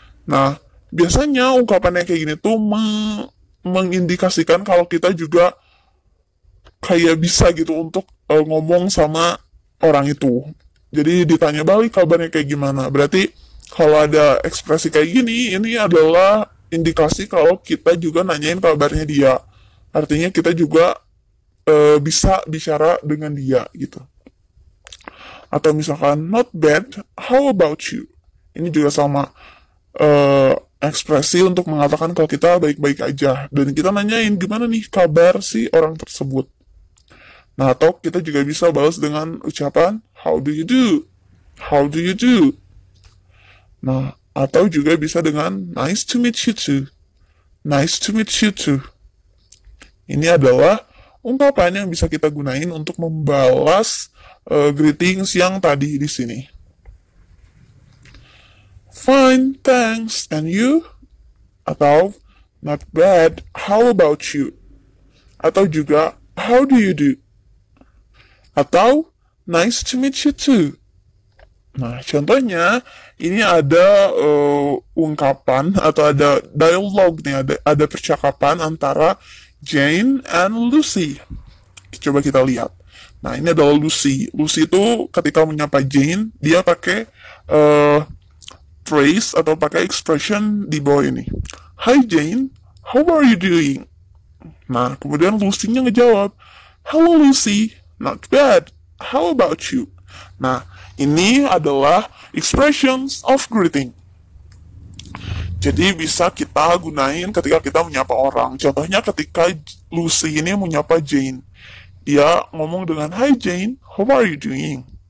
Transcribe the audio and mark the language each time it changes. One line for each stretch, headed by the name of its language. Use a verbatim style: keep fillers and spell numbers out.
Indonesian: Nah, biasanya ungkapannya kayak gini tuh me- mengindikasikan kalau kita juga kayak bisa gitu untuk eh, ngomong sama orang itu. Jadi ditanya balik kabarnya kayak gimana. Berarti kalau ada ekspresi kayak gini, ini adalah indikasi kalau kita juga nanyain kabarnya dia. Artinya kita juga eh, bisa bicara dengan dia gitu.
English: Atau misalkan not bad, how about you?
Indonesian: Ini juga sama eh, ekspresi untuk mengatakan kalau kita baik-baik aja dan kita nanyain gimana nih kabar si orang tersebut. Nah, atau kita juga bisa balas dengan ucapan
English: how do you do? How do you do?
Indonesian: Nah, atau juga bisa dengan
English: nice to meet you too. Nice to meet you too.
Indonesian: Ini adalah ungkapan yang bisa kita gunain untuk membalas eh, greetings yang tadi di sini.
English: Fine, thanks, and you? Atau not bad, how about you? Atau juga how do you do? Atau nice to meet you too.
Indonesian: Nah, contohnya ini ada eh, ungkapan atau ada dialog nih, ada ada percakapan antara Jane and Lucy. Coba kita lihat. Nah, ini adalah Lucy. Lucy itu ketika menyapa Jane, dia pakai eh phrase atau pakai expression di bawah ini.
English: Hi Jane, how are you doing?
Indonesian: Nah, kemudian Lucy-nya ngejawab,
English: hello Lucy, not bad, how about you?
Indonesian: Nah, ini adalah expressions of greeting. Jadi bisa kita gunain ketika kita menyapa orang. Contohnya ketika Lucy ini menyapa Jane. Dia ngomong dengan,
English: hi Jane, how are you doing?